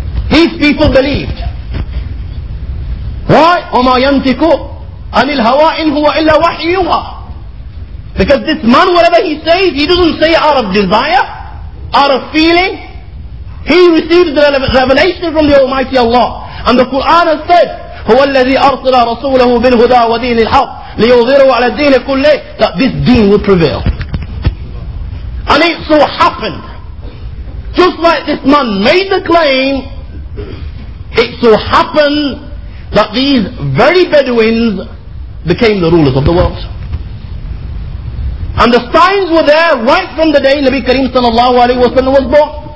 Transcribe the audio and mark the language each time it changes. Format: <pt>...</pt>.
<en>These people believed. Why?</en> <ar>وَمَا يَنْتِكُ أَنِ الْهَوَىٰ إِنْ هُوَ إِلَّا وَحْيُّهَا.</ar> <en>Because this man, whatever he says, he doesn't say out of desire, out of feeling. He receives the revelation from the Almighty Allah. And the Quran has said,</en> <ar>هُوَ الَّذِي أَرْسَلَ رَسُولَهُ بِالْهُدَى وَدِينِ الْحَقِّ لِيُظْهِرَهُ عَلَى الدِّينِ كُلِّهِ.</ar> <en>That this deen will prevail. And it so happened, just like this man made the claim, it so happened that these very Bedouins became the rulers of the world. And the signs were there right from the day Nabi Kareem sallallahu alayhi wa sallam was born.</en>